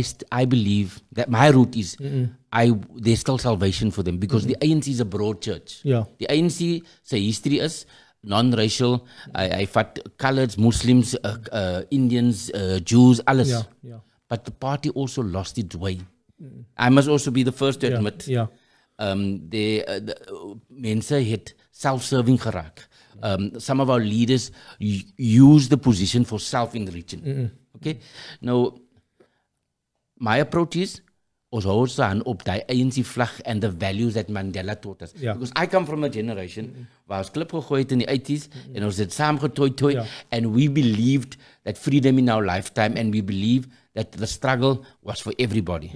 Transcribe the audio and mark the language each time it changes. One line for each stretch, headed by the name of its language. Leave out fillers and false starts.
English: I believe that my route is there's still salvation for them, because the ANC is a broad church. Yeah. The ANC say history is non-racial. I fought coloreds, Muslims, Indians, Jews, alles. Yeah. Yeah. But the party also lost its way. I must also be the first to admit. Yeah.
Afrikaans: The mense het self-serving geraak.
English: Some of our leaders use the position for self-enriching. Mm-mm. Okay. Now, my approach is,
Afrikaans: ons hou ons aan op die ANC vlag
English: and the values that Mandela taught us. Yeah. Because I come from a generation where
Afrikaans: ons klip gegooi het in die 80s
English: and
Afrikaans: ons het saam getoi-toi
English: and we believed that freedom in our lifetime, and we believe that the struggle was for everybody.